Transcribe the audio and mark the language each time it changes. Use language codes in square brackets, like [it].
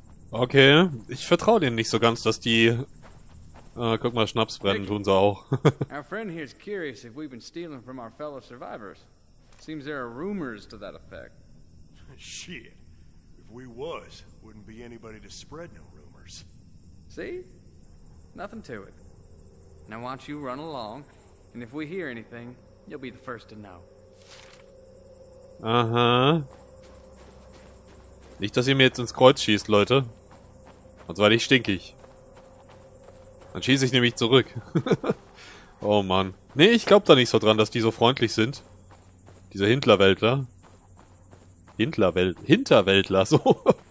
[de] Okay, ich vertraue denen nicht so ganz, dass die... guck mal, Schnaps brennen tun sie auch. [en] Our friend here is curious if we've been stealing from our fellow survivors. Seems there are rumors to that effect. Shit. We was, wouldn't be anybody to spread no rumors. See? Nothing to it. Now why don't you run along, and if we hear anything, you'll be the first to know. Aha. [de] Nicht, dass ihr mir jetzt ins Kreuz schießt, Leute. Sonst werde ich stinkig. Dann schieße ich nämlich zurück. Oh Mann. Nee, ich glaub da nicht so dran, dass die so freundlich sind. Diese Hinterwäldler. Hinterwäldler, so.